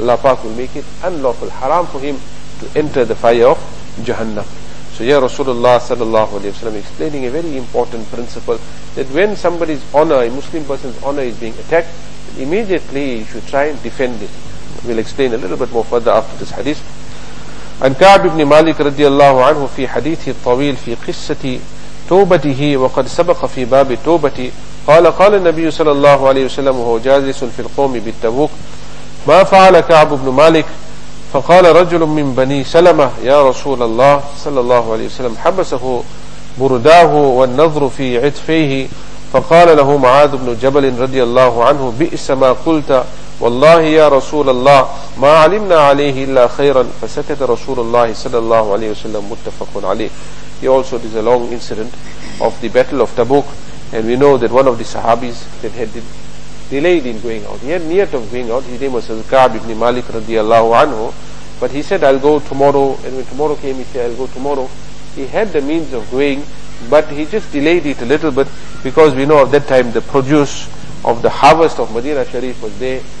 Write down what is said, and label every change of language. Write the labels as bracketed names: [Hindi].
[English] Allah Pak will make it unlawful, haram for him to enter the fire of Jahannam. So here Rasulullah sallallahu alayhi wa sallam explaining a very important principle, that when somebody's honor, a Muslim person's honor is being attacked, immediately you should try and defend it. We'll explain a little bit more further after this hadith. [Arabic] And Ka'b ibn Malik radiallahu anhu fi hadithi al-tawil fi qissati tawbatihi wa qad sabaqa fi babi tawbati قال قال النبي صلى الله عليه وسلم وهو جالس في القوم بالتبوك ما فعل كعب بن مالك فقال رجل من بني سلمة يا رسول الله صلى الله عليه وسلم حبسه برداه والنظر في عتفيه فقال له معاذ بن جبل رضي الله عنه بئس ما قلت والله يا رسول الله ما علمنا عليه إلا خيرا فسكت رسول الله صلى الله عليه وسلم متفق عليه. [English] He also did a long incident of the battle of Tabuk. And we know that one of the Sahabis that had delayed in going out. He had near of going out. His name was Ka'b ibn Malik radiallahu anhu. But he said, I'll go tomorrow. And when tomorrow came, he said, I'll go tomorrow. He had the means of going, but he just delayed it a little bit, because we know at that time the produce of the harvest of Madina Sharif was there.